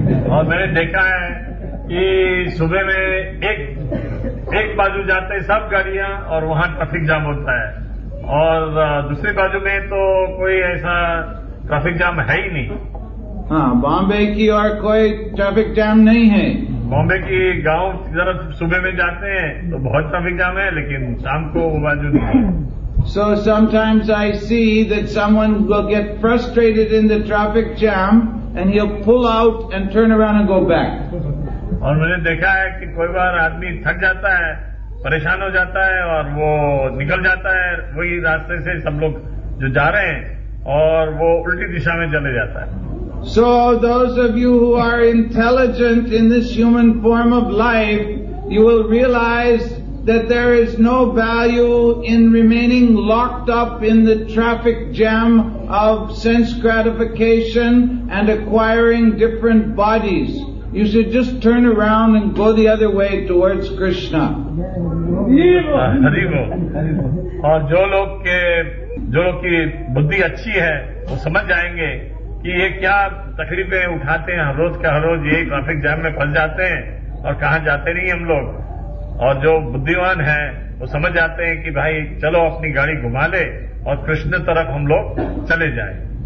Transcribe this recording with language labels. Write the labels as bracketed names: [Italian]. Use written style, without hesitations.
[Hindi] और मैंने देखा है कि सुबह में एक एक बाजू जाते हैं सब गाड़ियां और वहां ट्रैफिक जाम होता है और दूसरी बाजू में तो कोई ऐसा ट्रैफिक जाम है ही नहीं. हाँ, बॉम्बे की और कोई ट्रैफिक जाम नहीं है. बॉम्बे की गांव जरा सुबह में जाते हैं तो बहुत ट्रैफिक जाम है, लेकिन शाम को वो बाजू नहीं है. [English] So sometimes I see that someone will get frustrated in the traffic jam and he'll pull out and turn around and go back. [Hindi] और मैंने देखा है कि कोई बार आदमी थक जाता है, परेशान हो जाता है और वो निकल जाता है वही रास्ते से सब लोग जो जा रहे हैं और वो उल्टी दिशा में चले जाता है. [English] So those of you who are intelligent in this human form of life, you will realize that there is no value in remaining locked up in the traffic jam of sense gratification and acquiring different bodies. You should just turn around and go the other way towards Krishna. हरिवो. [Hindi] और जो लोग की बुद्धि अच्छी है वो समझ जाएंगे कि ये क्या तकलीफें उठाते हैं हर रोज का हर रोज, ये ट्रैफिक जाम में फंस जाते हैं और कहां जाते नहीं हम लोग. और जो बुद्धिमान है वो समझ जाते हैं कि भाई चलो अपनी गाड़ी घुमा ले और कृष्ण तरफ हम लोग चले जाए.